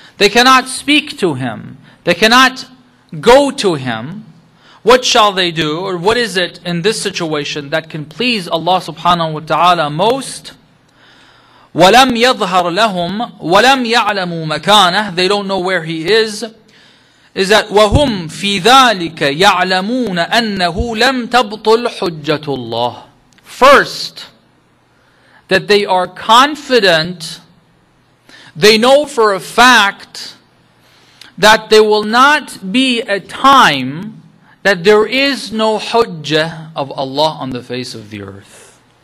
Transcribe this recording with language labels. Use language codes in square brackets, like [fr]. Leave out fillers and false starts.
[en] They cannot speak to him. They cannot go to him. What shall they do? Or what is it in this situation that can please Allah subhanahu wa ta'ala most? [ar] وَلَمْ يَظْهَرْ لَهُمْ وَلَمْ يَعْلَمُوا مَكَانَهُ. [en] They don't know where he is. Is that [ar] وَهُمْ فِي ذَٰلِكَ يَعْلَمُونَ أَنَّهُ لَمْ تَبْطُلْ حُجَّةُ اللَّهِ. [en] First, that they are confident, they know for a fact that there will not be a time that there is no hujjah of Allah on the face of the earth.